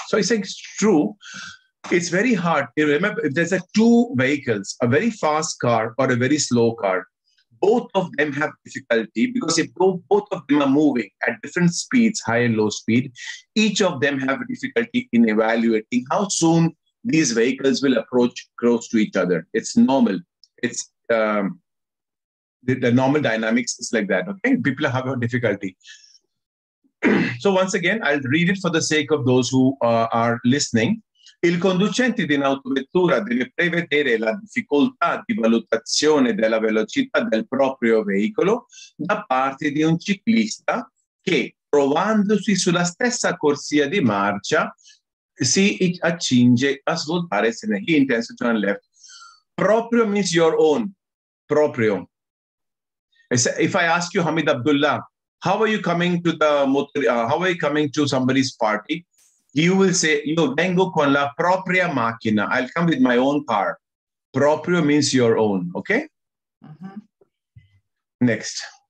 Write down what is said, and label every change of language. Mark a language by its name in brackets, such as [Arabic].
[English] So he's saying it's true. It's very hard. Remember, if there's a two vehicles, a very fast car or a very slow car, both of them have difficulty because if both of them are moving at different speeds, high and low speed, each of them have a difficulty in evaluating how soon these vehicles will approach close to each other. It's normal. It's the normal dynamics is like that. Okay, people have a difficulty. So once again, I'll read it for the sake of those who are listening. [Italian] Il conducente di un'autovettura deve prevedere la difficoltà di valutazione della velocità del proprio veicolo da parte di un ciclista che, trovandosi sulla stessa corsia di marcia, si accinge a svoltare se ne [English] intends to turn left. Proprio means your own. Proprio. If I ask you, Hamid Abdullah, how are you coming to the motor, how are you coming to somebody's party? You will say, [Italian] "Io vengo con la propria macchina." [English] I'll come with my own car. Proprio means your own. Okay. Mm-hmm. Next.